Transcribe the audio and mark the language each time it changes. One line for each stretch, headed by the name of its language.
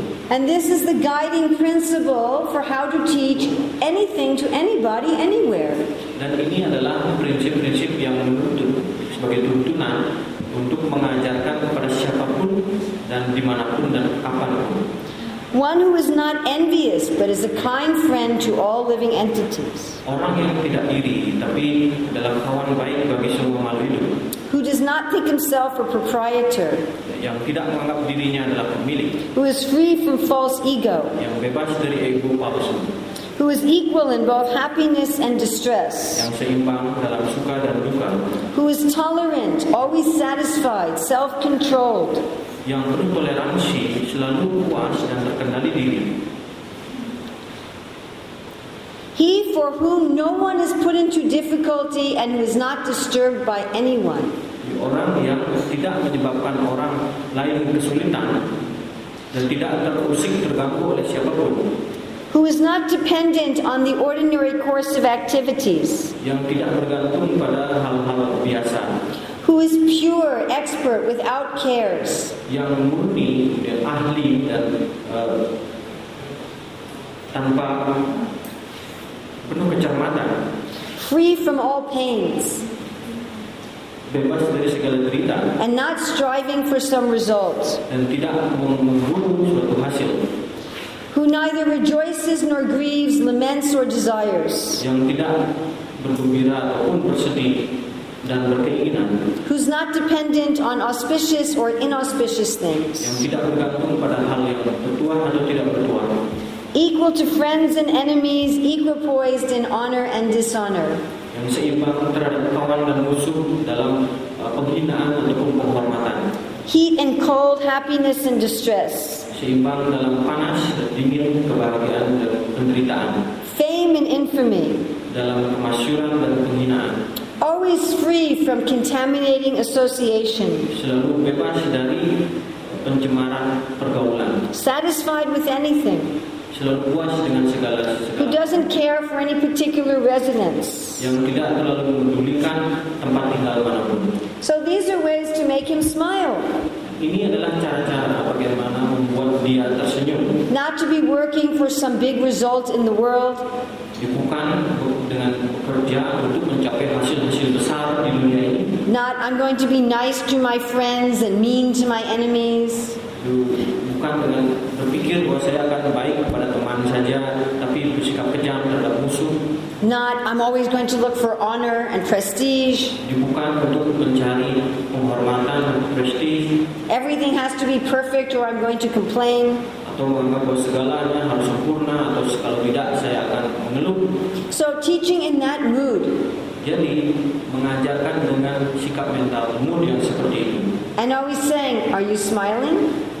English: And this is the guiding principle for how to teach anything to anybody anywhere.
Indonesian: Dan ini adalah prinsip-prinsip yang menuntun sebagai tuntunan untuk mengajarkan kepada siapapun dan di dimanapun dan kapanpun.
English: One who is not envious but is a kind friend to all living entities.
Indonesian: Orang yang tidak iri tapi adalah kawan baik bagi semua makhluk hidup.
English: Who does not think himself a proprietor.
Indonesian: Yang tidak menganggap dirinya adalah pemilik.
English: Who is free from false ego.
Indonesian: Yang bebas dari ego palsu.
English: Who is equal in both happiness and distress.
Indonesian: Yang seimbang dalam suka dan duka.
English: Who is tolerant, always satisfied, self-controlled.
Indonesian: Yang penuh toleransi, selalu puas dan terkendali diri.
English: He for whom no one is put into difficulty and who is not disturbed by anyone.
Indonesian: Orang yang tidak menyebabkan orang lain kesulitan dan tidak terusik terganggu oleh siapapun.
English: Who is not dependent on the ordinary course of activities.
Indonesian: Yang tidak bergantung pada hal-hal biasa.
English: Who is pure, expert, without cares.
Indonesian: Yang murni, ahli, dan tanpa penuh kecermatan.
English: Free from all pains.
Indonesian: Bebas dari segala derita.
English: And not striving for some result.
Indonesian: Dan tidak memburu suatu hasil.
English: Who neither rejoices nor grieves, laments or desires.
Indonesian: Yang tidak bergembira ataupun bersedih dan berkeinginan.
English: Who's not dependent on auspicious or inauspicious things.
Indonesian: Yang tidak bergantung pada hal yang bertuah atau tidak bertuah.
English: Equal to friends and enemies, equipoised in honor and dishonor.
Indonesian: Yang seimbang terhadap kawan dan musuh dalam penghinaan ataupun penghormatan.
English: Heat and cold, happiness and distress.
Indonesian: Seimbang dalam panas dan dingin, kebahagiaan dan penderitaan.
English: Fame and infamy.
Indonesian: Dalam kemasyhuran dan penghinaan.
English: Always free from contaminating association.
Indonesian: Selalu bebas dari pencemaran pergaulan.
English: Satisfied with anything.
Indonesian: Selalu puas dengan segala.
English: Who doesn't care for any particular residence.
Indonesian: Yang tidak terlalu mempedulikan tempat tinggal manapun.
English: So these are ways to make him smile.
Indonesian: Ini adalah cara-cara bagaimana membuat dia tersenyum.
English: Not to be working for some big result in the world.
Indonesian: Bukan dengan pekerjaan untuk mencapai hasil-hasil besar di dunia ini.
English: Not I'm going to be nice to my friends and mean to my enemies.
Indonesian: Bukan dengan berpikir bahwa saya akan baik kepada teman saja, tapi bersikap kejam terhadap musuh.
English: Not I'm always going to look for honor and prestige.
Indonesian: Bukan untuk mencari penghormatan dan prestige.
English: Everything has to be perfect or I'm going to complain.
Indonesian: Atau menganggap bahwa segalanya harus sempurna atau kalau tidak saya akan mengeluh.
English: So teaching in that mood.
Indonesian: Jadi mengajarkan dengan sikap mental mood yang seperti ini.
English: And always saying, are you smiling?